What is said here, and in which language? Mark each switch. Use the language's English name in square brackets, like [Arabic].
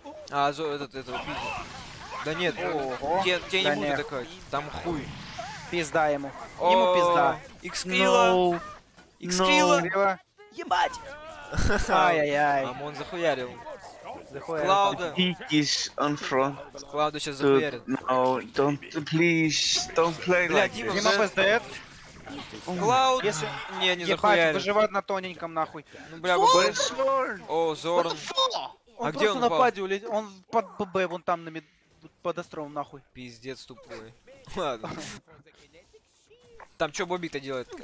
[Russian] А, этот пиздец. Да нет, тебе не будет такой. Там хуй. Пизда ему. Ему пизда. Икскрила! Икскрила! Ебать! Ай-яй-яй. Амон захуярил. [English] Клауда. He is on front. [Russian] Клауда сейчас захуярит. [English] No, don't, please, don't play like this. [Russian] Блядь, Дима ФСД. Клауд. Не, не захуярил. Ебать, выживать на тоненьком, нахуй. Ну, бля, ББ. О, Зорн. А где он упал? Он просто на паде улетел. Он под ББ, вон там, на под островом, нахуй. Пиздец тупой. Ладно. Там что Бобби-то делает?